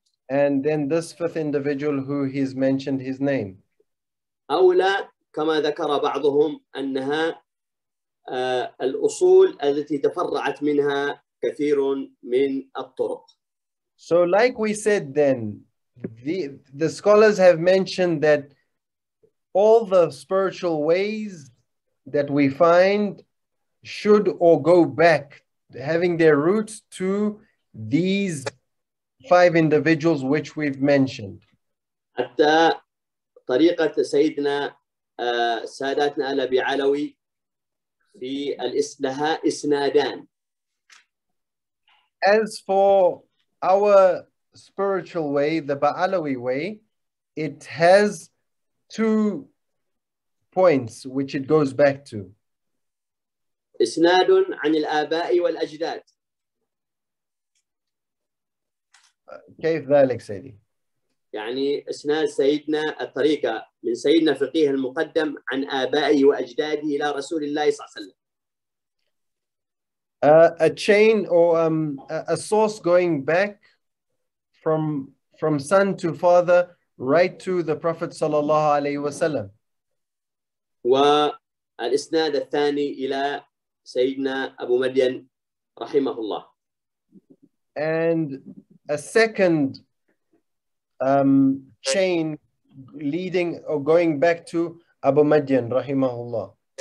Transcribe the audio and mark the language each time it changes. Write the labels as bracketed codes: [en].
[en] And then this fifth individual who he's mentioned his name. [ar] أولى كما ذكر بعضهم أنها الأصول التي تفرعت منها كثير من الطرق. [en] So like we said then, the scholars have mentioned that all the spiritual ways that we find should or go back, having their roots to these five individuals which we've mentioned. [ar] حتى طريقة سيدنا ساداتنا الأبي علوي في لها إسنادان. [en] As for our spiritual way, the Ba'alawi way, it has two points which it goes back to. [ar] إسناد عن الآباء والأجداد. كيف ذلك سيدي؟ يعني إسناد سيدنا الطريقة من سيدنا فقيه المقدم عن آبائه وأجداده إلى رسول الله صلى الله عليه وسلم. [en] A chain or a source going back from son to father right to the Prophet [ar] صلى الله عليه وسلم. والإسناد الثاني إلى سيدنا أبو مدين رحمه الله. [en] And a second chain leading or going back to Abu Madian rahimahullah.